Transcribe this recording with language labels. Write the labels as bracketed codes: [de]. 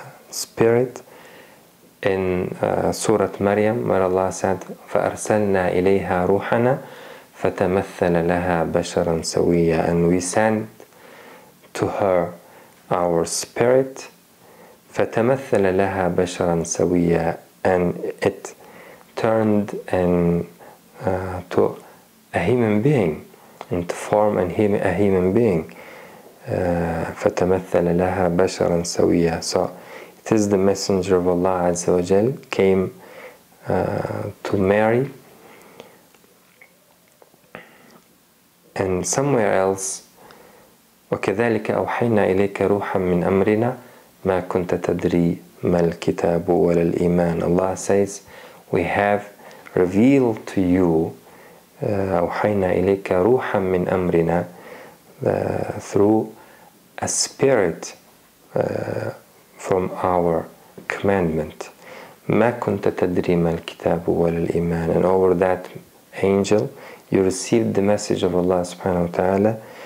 [en] spirit, in Surah Maryam, where Allah said, [ar] فَأَرْسَلْنَا إِلَيْهَا رُوحَنَا فَتَمَثَّلَ لَهَا بَشَرًا سَوِيًّا, [en] and we sent to her our spirit, [ar] فَتَمَثَّلَ لَهَا بَشَرًا سَوِيًّا, [en] and it turned into a human being, into form and a human being. [ar] فتمثل لها بشرا سويا. [en] So it is the messenger of Allah Azza wa Jal came to Mary. And somewhere else, [ar] وكذلك أوحينا إليك روحا من أمرنا ما كنت تدري ما الكتاب ولا الإيمان. [en] Allah says, we have revealed to you [ar] أوحينا إليك روحا من أمرنا, [en] through a spirit from our commandment. [ar] مَا كُنْتَ تَدْرِي مَا الْكِتَابُ وَلَلْإِيمَانِ, [en] and over that angel you received the message of Allah subhanahu wa ta'ala.